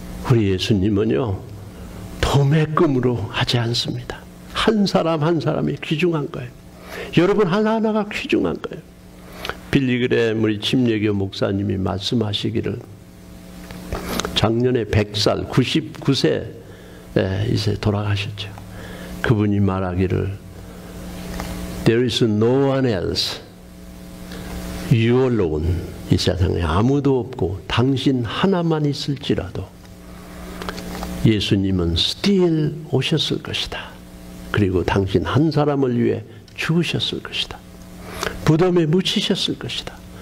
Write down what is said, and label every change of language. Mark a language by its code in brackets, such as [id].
[ko] 우리 예수님은요 도매 꿈으로 하지 않습니다. 한 사람 한 사람이 귀중한 거예요. 여러분 하나하나가 귀중한 거예요. 빌리 그램 우리 침례교 목사님이 말씀하시기를 작년에 100살 99세 이제 돌아가셨죠. 그분이 말하기를 [en] There is no one else. You alone. [ko] 이 세상에 아무도 없고 당신 하나만 있을지라도 예수님은 [en] still [ko] 오셨을 것이다. 그리고 당신 한 사람을 위해 죽으셨을 것이다. 무덤에 묻히셨을 것이다.